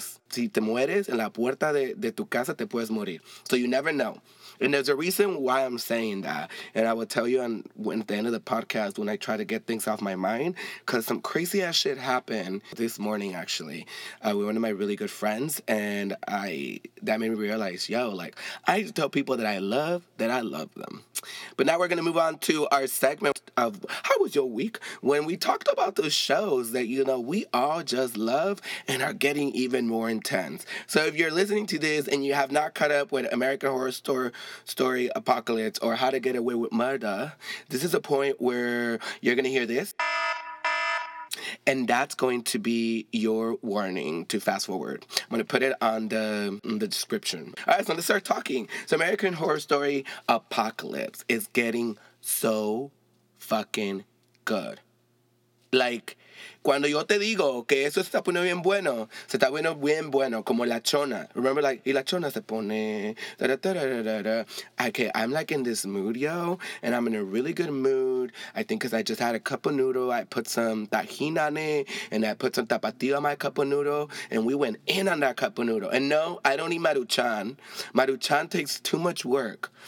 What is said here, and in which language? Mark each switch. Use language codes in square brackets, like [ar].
[es] Si te mueres en la puerta de tu casa, te puedes morir. [en] So you never know. And there's a reason why I'm saying that. And I will tell you at the end of the podcast when I try to get things off my mind, because some crazy ass shit happened this morning, actually, with one of my really good friends. And that made me realize, yo, like, I used to tell people that I love them. But now we're going to move on to our segment of how was your week? When we talked about those shows that, you know, we all just love and are getting even more intense. So if you're listening to this and you have not caught up with American Horror Story Apocalypse or How to Get Away with Murder, this is a point where you're going to hear this. And that's going to be your warning to fast forward. I'm going to put it on the description. All right, so let's start talking. So American Horror Story Apocalypse is getting so fucking good. Like, [es] cuando yo te digo que eso se está poniendo bien bueno, se está poniendo bien bueno, como la chona. [en] Remember, like, [es] y la chona se pone... [en] Okay, I'm, like, in this mood, yo, and I'm in a really good mood. I think because I just had a cup of noodle. I put some tajin on it, and I put some tapatio on my cup of noodle, and we went in on that cup of noodle. And no, I don't eat maruchan. Maruchan takes too much work.